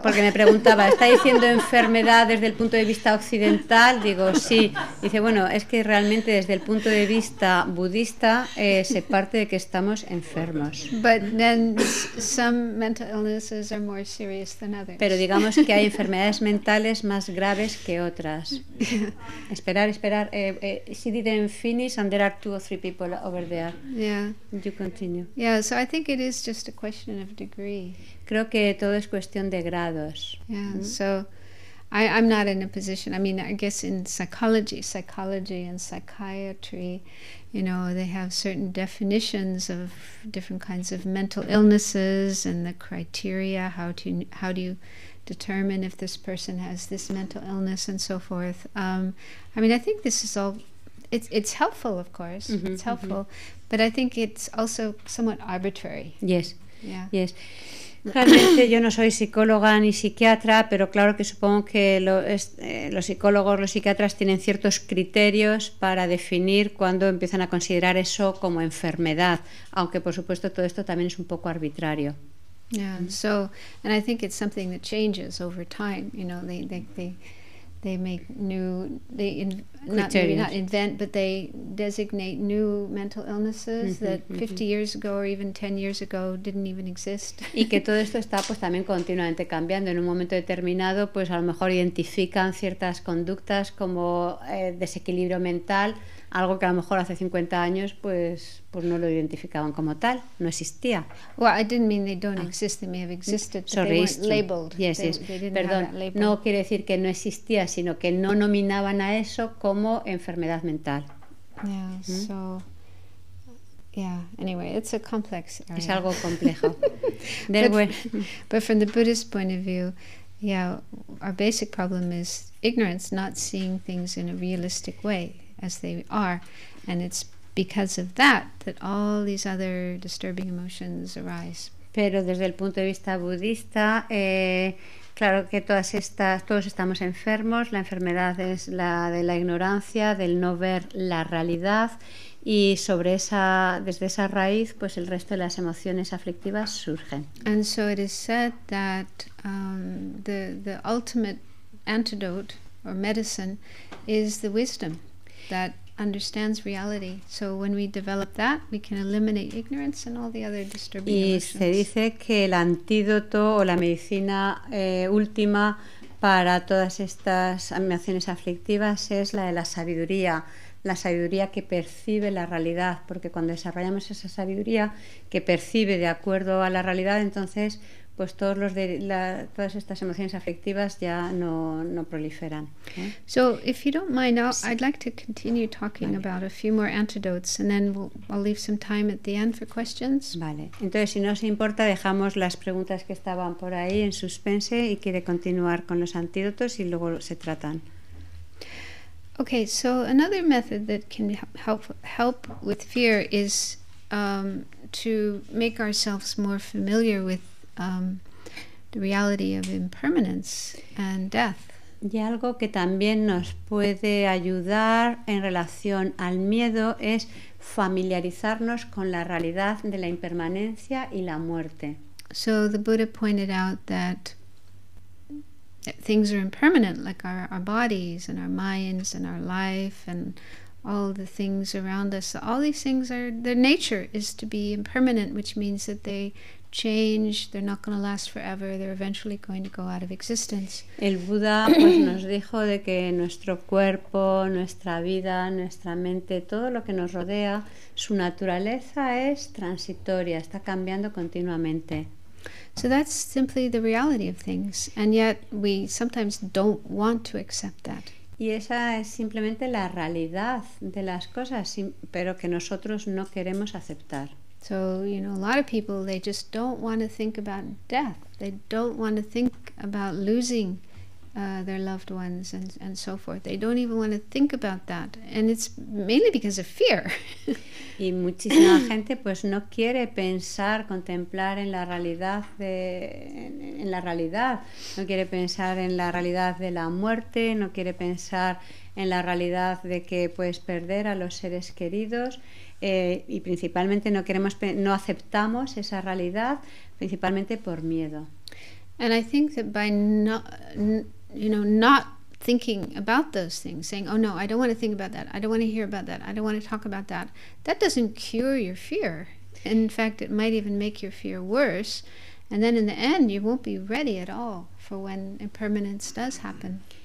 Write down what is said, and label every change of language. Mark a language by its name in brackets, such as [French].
[Spanish] Porque me preguntaba, ¿está diciendo enfermedad desde el punto de vista occidental? Digo, sí. Dice, bueno, es que realmente desde el punto de vista budista se parte de que estamos enfermos. [English] But then some mental illnesses are more serious than others. [Spanish] Pero digamos que hay enfermedades mentales más graves que otras. [English] Yeah. [Spanish] Esperar. [English] She didn't finish and there are two or three people over there. Yeah. You continue. Yeah, so I think it is just a question of degree. [Spanish] Creo que todo es cuestión de grados. [English] Yeah, so I'm not in a position. I mean, I guess in psychology and psychiatry, you know, they have certain definitions of different kinds of mental illnesses and the criteria, how do you determine if this person has this mental illness and so forth. I mean, I think this is all, it's helpful, of course, mm-hmm, it's helpful, mm-hmm. But I think it's also somewhat arbitrary. Yes. Yeah. Yes. [Spanish] Realmente yo no soy psicóloga ni psiquiatra, pero claro que supongo que los psicólogos, los psiquiatras tienen ciertos criterios para definir cuándo empiezan a considerar eso como enfermedad, aunque por supuesto todo esto también es un poco arbitrario. [English] Yeah, so and I think it's something that changes over time, you know, they make new, they not invent, but they designate new mental illnesses, mm-hmm, that 50 mm-hmm. years ago or even 10 years ago didn't even exist. [Spanish] Y que todo esto está pues también continuamente cambiando. En un momento determinado pues a lo mejor identifican ciertas conductas como desequilibrio mental, algo que a lo mejor hace 50 años pues no lo identificaban como tal, no existía. [English] Well, I didn't mean they don't exist, they may have existed, but sorry, they weren't labeled. Yes, they, yes. They didn't [Spanish] Perdón, [English] have that label. [Spanish] No quiere decir que no existía, sino que no nominaban a eso como enfermedad mental. [English] Yeah, so... Yeah, anyway, it's a complex area. [Spanish] Es algo complejo. [English] but from the Buddhist point of view, yeah, our basic problem is ignorance, not seeing things in a realistic way as they are, and it's because of that that all these other disturbing emotions arise. [Spanish] Pero desde el punto de vista budista, claro que todos estamos enfermos. La enfermedad es la de la ignorancia, del no ver la realidad, y desde esa raíz, pues el resto de las emociones aflictivas surgen. [English] And so it is said that the ultimate antidote or medicine is the wisdom that understands reality. So when we develop that, we can eliminate ignorance and all the other disturbing emotions. [Spanish] Y se dice que el antídoto o la medicina última para todas estas emociones aflictivas es la de la sabiduría que percibe la realidad, porque cuando desarrollamos esa sabiduría que percibe de acuerdo a la realidad, entonces pues todos los de la, todas estas emociones aflictivas ya no proliferan. [English] Okay? So if you don't mind, I'd like to continue talking about a few more antidotes, and then I'll leave some time at the end for questions. [Spanish] Vale. Entonces, si no os importa, dejamos las preguntas que estaban por ahí en suspense y quiere continuar con los antídotos y luego se tratan. [English] Okay. So another method that can help with fear is to make ourselves more familiar with the reality of impermanence and death. [Spanish] Y algo que también nos puede ayudar en relación al miedo es familiarizarnos con la realidad de la impermanencia y la muerte. [English] So the Buddha pointed out that things are impermanent, like our bodies and our minds and our life and all the things around us. All these things are, their nature is to be impermanent, which means that they change, they're not going to last forever, they're eventually going to go out of existence. [Spanish] El Buda pues nos dijo de que nuestro cuerpo, nuestra vida, nuestra mente, todo lo que nos rodea, su naturaleza es transitoria, está cambiando continuamente. [English] So that's simply the reality of things, and yet we sometimes don't want to accept that. [Spanish] Y esa es simplemente la realidad de las cosas, pero que nosotros no queremos aceptar. [English] So, you know, a lot of people, they just don't want to think about death. They don't want to think about losing their loved ones and so forth. They don't even want to think about that. And it's mainly because of fear. [Spanish] Y muchísima gente pues no quiere pensar, contemplar en la realidad de en la realidad. No quiere pensar en la realidad de la muerte, no quiere pensar en la realidad de que puedes perder a los seres queridos. Y principalmente no aceptamos esa realidad principalmente por miedo. [English] And I think that by not thinking about those things, saying, oh no, I don't want to think about that, I don't want to hear about that, I don't want to talk about that, that doesn't cure your fear. In fact, it might even make your fear worse, and then in the end you won't be ready at all for when impermanence does happen.